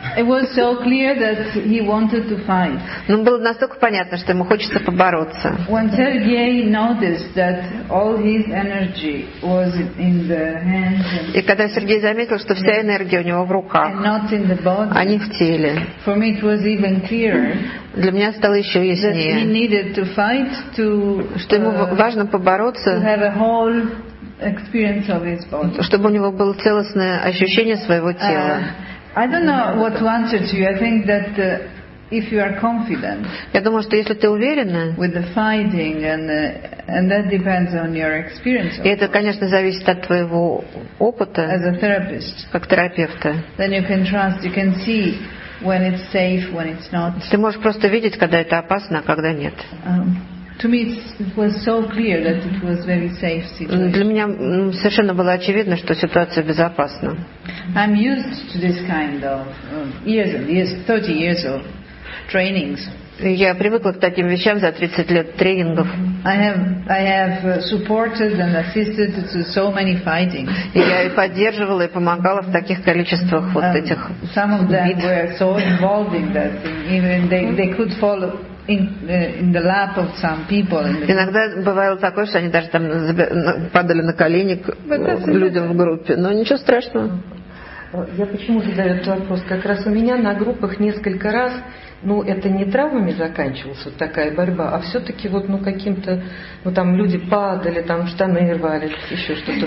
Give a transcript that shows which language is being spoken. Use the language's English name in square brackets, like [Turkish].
[English] It was so clear that he wanted to fight. [Russian] Ну было настолько понятно, что ему хочется побороться. [English] When Sergei noticed that all his energy was in the hands. [Russian] И когда Сергей заметил, что вся энергия у него в руках, а не в теле. [English] For me it was even clearer. [Russian] Для меня стало еще яснее. [English] That he needed to fight to. [Russian] Что ему важно побороться. [English] To have a whole experience of his body. [Russian] Чтобы у него было целостное ощущение своего тела. [English] I don't know what to answer to you. I think that if you are confident. [Russian] Я думаю, что если ты уверена. [English] With the fighting and that depends on your experience. [Russian] И это, конечно, зависит от твоего опыта. [English] As a therapist. [Russian] Как терапевта. [English] Then you can trust. You can see when it's safe, when it's not. [Russian] Ты можешь просто видеть, когда это опасно, а когда нет. [English] To me, it was so clear that it was very safe situation. [Russian] Для меня совершенно было очевидно, что ситуация безопасна. [English] I'm used to this kind of years and years, 30 years of trainings. [Russian] Я привыкла к таким вещам за 30 лет тренингов. [English] I have supported and assisted to so many fighting. [Russian] Я и поддерживала и помогала в таких количествах вот этих. [English] Some of them were so involved in that, even they could follow. In the lap of some people. [Russian] Иногда бывало такое, что они даже там падали на колени к людям в группе. Но ничего страшного. Я почему задаю этот вопрос? Как раз у меня на группах несколько раз, ну, это не травмами заканчивалась вот такая борьба, а все-таки вот, ну, каким-то, ну, там люди падали, там штаны рвали, еще что-то.